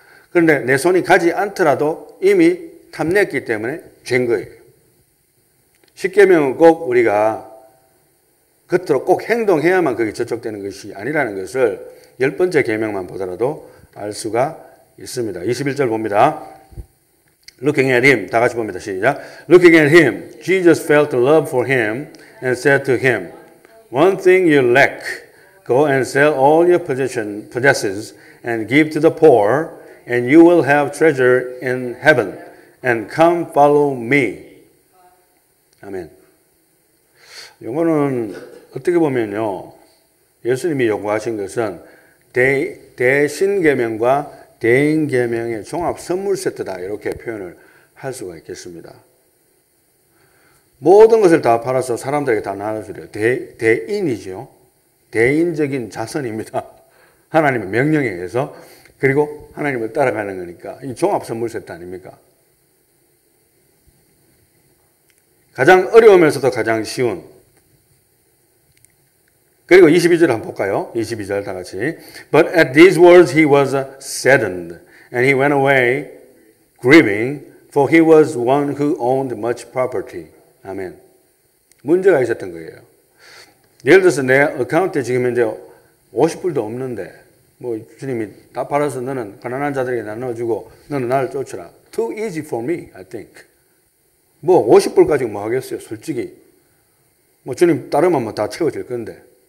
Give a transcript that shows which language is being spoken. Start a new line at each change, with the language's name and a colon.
Korean: 그런데 내 손이 가지 않더라도 이미 탐냈기 때문에 죄인 거예요. 십계명은 꼭 우리가 겉으로 꼭 행동해야만 거기 저촉되는 것이 아니라는 것을 열 번째 계명만 보더라도 알 수가 있습니다. 21절 봅니다.
English: Looking at him,
Korean: 다 같이 봅니다. 시작.
English: Looking at him, Jesus felt love for him and said to him, One thing you lack, go and sell all your possessions and give to the poor, and you will have treasure in heaven, and come follow me.
Korean: 아멘. 이거는 어떻게 보면요, 예수님이 요구하신 것은 대신계명과 대인계명의 종합선물세트다, 이렇게 표현을 할 수가 있겠습니다. 모든 것을 다 팔아서 사람들에게 다 나눠주려, 대인이죠. 대인적인 자선입니다. 하나님의 명령에 의해서, 그리고 하나님을 따라가는 거니까 이 종합선물세트 아닙니까? 가장 어려우면서도 가장 쉬운. 그리고 22절 한번 볼까요? 22절 다 같이.
English: But at these words he was saddened, and he went away grieving, for he was one who owned much property.
Korean: 아멘. 문제가 있었던 거예요. 예를 들어서 내 어카운트에 지금 이제 50불도 없는데, 뭐 주님이 다 팔아서 너는 가난한 자들에게 나눠주고 너는 나를 쫓으라.
English: Too easy for me, I think.
Korean: 뭐 50불 가지고 뭐 하겠어요, 솔직히. 뭐 주님 따르면 뭐 다 채워질 건데.